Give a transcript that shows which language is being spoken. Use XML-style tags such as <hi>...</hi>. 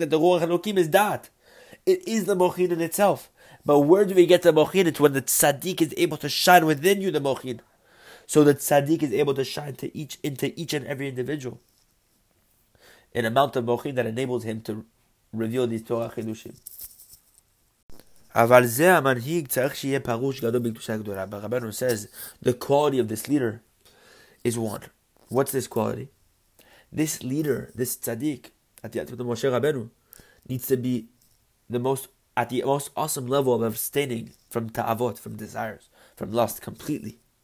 <en>That the Ruach HaNokim is Da'at. It is the Mochin in itself. But where do we get the Mochin? It's when the Tzadik is able to shine within you, the Mochin. So the Tzadik is able to shine into each and every individual. An amount of Mochin that enables him to reveal these Torah Chidushim.</en> <he>אבל זה המנהיג צריך שיהיה פרוש גדול בקדושה גדולה.</he> <en>But Rabbeinu says, the quality of this leader is one. What's this quality? This leader, this tzaddik, at the end of Moshe Rabbeinu, needs to be at the most awesome level of abstaining from ta'avot, from desires, from lust, completely.</en>